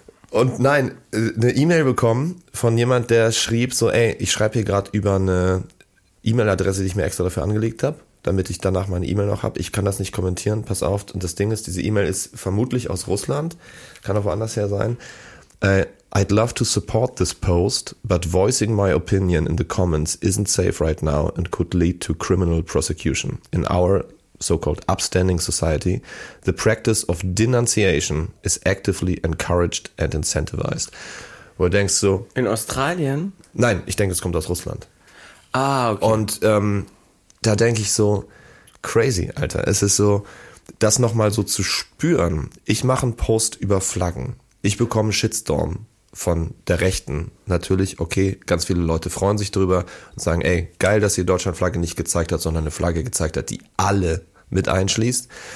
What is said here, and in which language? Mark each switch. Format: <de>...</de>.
<de>Und nein, eine E-Mail bekommen von jemand, der schrieb so, ey, ich schreibe hier gerade über eine E-Mail-Adresse, die ich mir extra dafür angelegt habe, damit ich danach meine E-Mail noch habe. Ich kann das nicht kommentieren, pass auf. Und das Ding ist, diese E-Mail ist vermutlich aus Russland, kann auch woanders her sein.</de> <en>I'd love to support this post, but voicing my opinion in the comments isn't safe right now and could lead to criminal prosecution. In our so-called upstanding society, the practice of denunciation is actively encouraged and incentivized.</en> <de>Wo du denkst so... In Australien? Nein, ich denke, es kommt aus Russland. Ah, okay. Und da denke ich so, crazy, Alter. Es ist so, das nochmal so zu spüren. Ich mache einen Post über Flaggen. Ich bekomme einen Shitstorm von der Rechten. Natürlich, okay, ganz viele Leute freuen sich drüber und sagen, ey, geil, dass ihr Deutschlandflagge nicht gezeigt hat, sondern eine Flagge gezeigt hat, die alle mit einschließt.</de>